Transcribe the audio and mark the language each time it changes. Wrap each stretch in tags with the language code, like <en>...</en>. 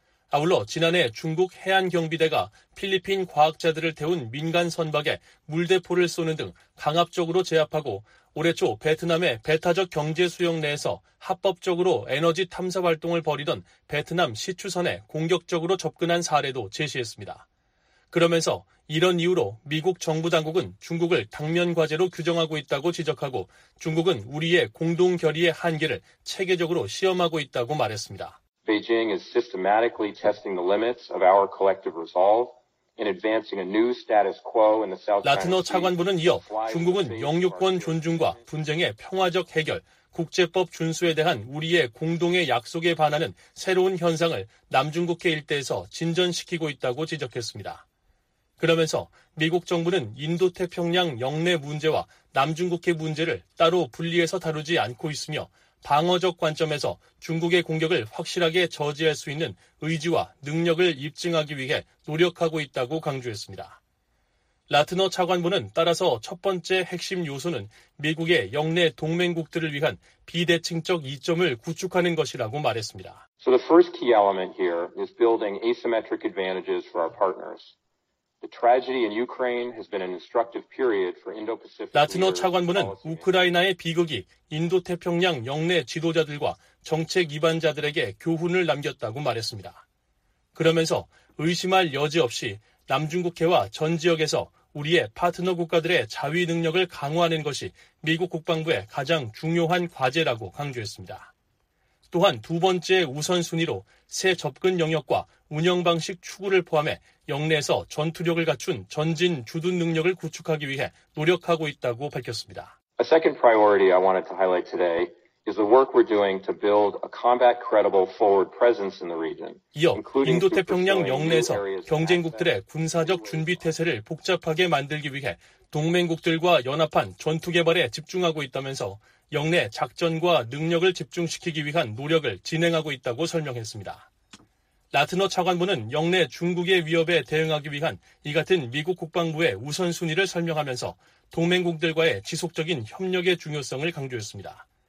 <ko>아울러 지난해 중국 해안경비대가 필리핀 과학자들을 태운 민간 선박에 물대포를 쏘는 등 강압적으로 제압하고 올해 초 베트남의 배타적 경제 수역 내에서 합법적으로 에너지 탐사 활동을 벌이던 베트남 시추선에 공격적으로 접근한 사례도 제시했습니다. 그러면서 이런 이유로 미국 정부 당국은 중국을 당면 과제로 규정하고 있다고 지적하고 중국은 우리의 공동결의의 한계를 체계적으로 시험하고 있다고 말했습니다.</ko> <en>Beijing is systematically testing the limits of our collective resolve in advancing a new status quo in the South China Sea.</en> <ko>라트너 차관부는 이어 중국은 영유권 존중과 분쟁의 평화적 해결, 국제법 준수에 대한 우리의 공동의 약속에 반하는 새로운 현상을 남중국해 일대에서 진전시키고 있다고 지적했습니다. 그러면서 미국 정부는 인도태평양 영내 문제와 남중국해 문제를 따로 분리해서 다루지 않고 있으며 방어적 관점에서 중국의 공격을 확실하게 저지할 수 있는 의지와 능력을 입증하기 위해 노력하고 있다고 강조했습니다. 라트너 차관보는 따라서 첫 번째 핵심 요소는 미국의 영내 동맹국들을 위한 비대칭적 이점을 구축하는 것이라고 말했습니다.</ko> <en>So the first key element here is building asymmetric advantages for our partners. The tragedy in Ukraine has been an instructive period for Indo-Pacific.</en> <ko>라트너 차관부는 우크라이나의 비극이 인도태평양 영내 지도자들과 정책 이반자들에게 교훈을 남겼다고 말했습니다. 그러면서 의심할 여지 없이 남중국해와 전 지역에서 우리의 파트너 국가들의 자위 능력을 강화하는 것이 미국 국방부의 가장 중요한 과제라고 강조했습니다. 또한 두 번째 우선순위로 새 접근 영역과 운영 방식 추구를 포함해 영내에서 전투력을 갖춘 전진 주둔 능력을 구축하기 위해 노력하고 있다고 밝혔습니다. A</ko> <en>The second priority I wanted to highlight today is the work we're doing to build a combat credible forward presence in the region.</en> <ko>이어 인도태평양 영내에서 경쟁국들의 군사적 준비 태세를 복잡하게 만들기 위해 동맹국들과 연합한 전투 개발에 집중하고 있다면서 영내 작전과 능력을 집중시키기 위한 노력을 진행하고 있다고 설명했습니다. 라트너 차관부는 영내 중국의 위협에 대응하기 위한 이 같은 미국 국방부의 우선순위를 설명하면서 동맹국들과의 지속적인 협력의 중요성을 강조했습니다.</ko>